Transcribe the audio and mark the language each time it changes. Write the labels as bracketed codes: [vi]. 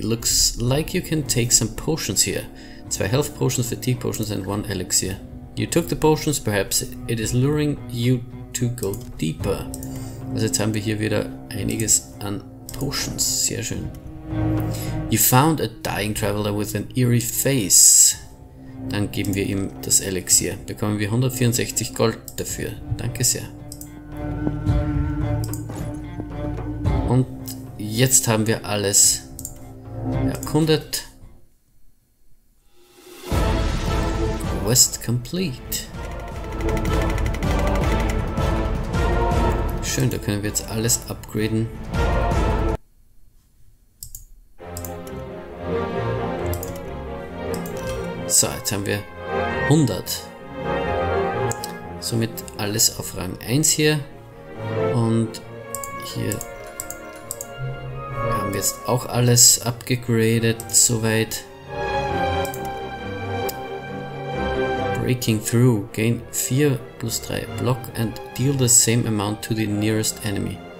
[en] Looks like you can take some potions here. 2 health potions, fatigue potions and 1 elixir. You took the potions, perhaps it is luring you to go deeper. [de] Also jetzt haben wir hier wieder einiges an Potions. Sehr schön. [en] You found a dying traveler with an eerie face. [de] Dann geben wir ihm das Elixier. Bekommen wir 164 Gold dafür. Danke sehr. Und jetzt haben wir alles erkundet. [en] Quest complete. [de] Schön, da können wir jetzt alles upgraden. So, jetzt haben wir 100. Somit alles auf Rang 1 hier. Und hier haben wir jetzt auch alles abgegradet, soweit. [en] Breaking through. Gain 4 plus 3 Block and deal the same amount to the nearest enemy.